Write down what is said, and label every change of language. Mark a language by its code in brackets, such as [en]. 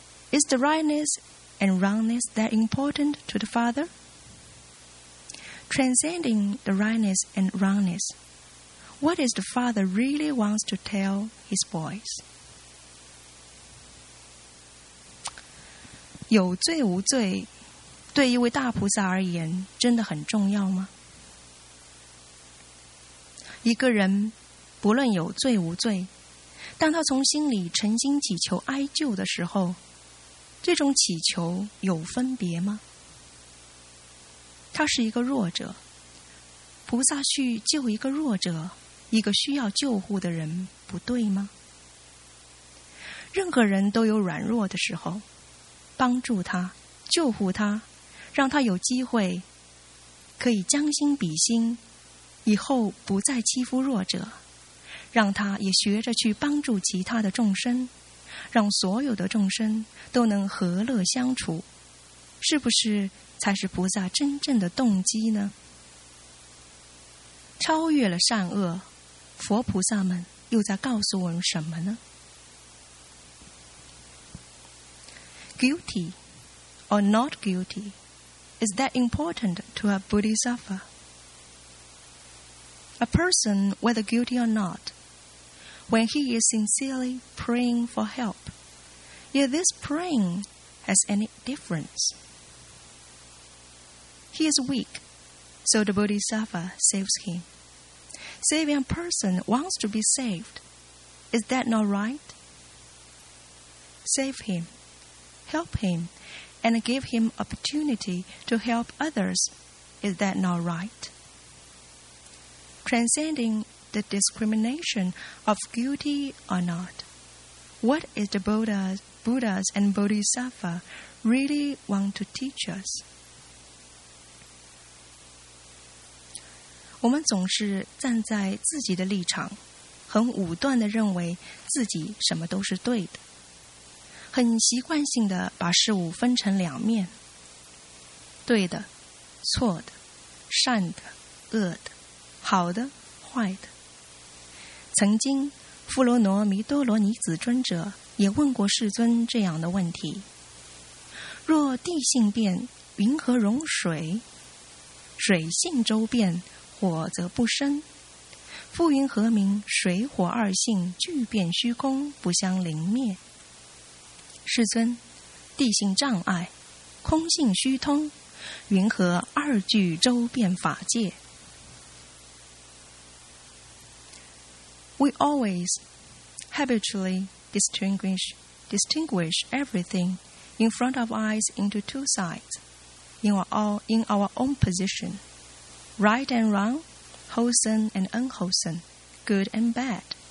[en] Is the rightness and wrongness that important to the father? Transcending the rightness and wrongness, what is the father really wants to tell his boys? [zh] 有罪无罪，对一位大菩萨而言，真的很重要吗？一个人不论有罪无罪，当他从心里诚心祈求哀救的时候，这种祈求有分别吗？他是一个弱者，菩萨去救一个弱者，一个需要救护的人，不对吗？任何人都有软弱的时候，帮助他，救护他，让他有机会可以将心比心，以后不再欺负弱者，让他也学着去帮助其他的众生，让所有的众生都能和乐相处，是不是才是菩萨真正的动机呢？超越了善恶，佛菩萨们又在告诉我们什么呢？ [en] Guilty or not guilty, is that important to a bodhisattva? A person, whether guilty or not, when he is sincerely praying for help, yet this praying has any difference? He is weak, so the bodhisattva saves him. Saving a person wants to be saved, is that not right? Save him, help him, and give him opportunity to help others, is that not right? Transcending the discrimination of guilty or not, what is the Buddhas and Bodhisattva really want to teach us? [zh] 我们总是站在自己的立场，很武断地认为自己什么都是对的，很习惯性地把事物分成两面，对的、错的、善的、恶的。好的，坏的。曾经，富罗罗弥多罗尼子尊者也问过世尊这样的问题：若地性变，云何容水？水性周变，火则不生。复云何名？水火二性俱变虚空，不相临灭。世尊，地性障碍，空性虚通，云何二俱周变法界？ [en] We always habitually distinguish everything in front of eyes into two sides, in our own position, right and wrong, wholesome and unwholesome, good and bad.